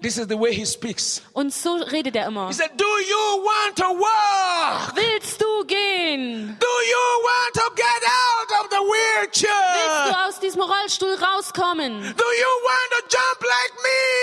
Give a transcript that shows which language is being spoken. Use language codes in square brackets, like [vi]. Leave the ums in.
[en] This is the way he speaks. [de] Und so redet er immer. He [en] said, "Do you want to walk? [de] Willst du gehen? [en] Do you want to get out of the wheelchair? [de] Willst du aus diesem Rollstuhl rauskommen? [en] Do you want to jump like me?